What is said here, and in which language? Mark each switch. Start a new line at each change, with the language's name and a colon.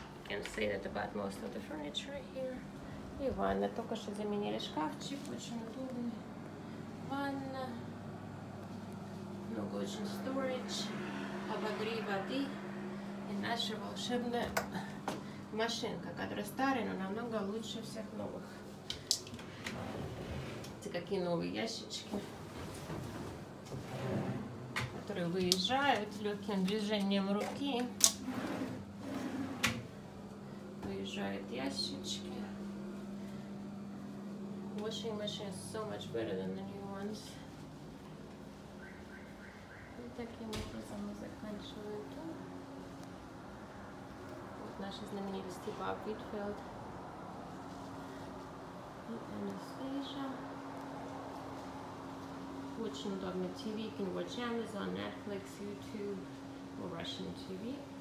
English: You can say that about most of the furniture here.
Russian: И ванна. Только что заменили шкафчик. Очень удобный. Ванна. Много очень storage. Обогрей воды. И наша волшебная машинка, которая старая, но намного лучше всех новых. Видите, какие новые ящички, которые выезжают легким движением руки. Выезжают ящички.
English: Washing machine is so much better than the new ones.
Russian: таким образом мы заканчиваем тур. Вот наши знаменитости Боб Витфилд и Анастасия. Очень удобный
English: TV. You can watch Amazon, Netflix, YouTube, or Russian TV.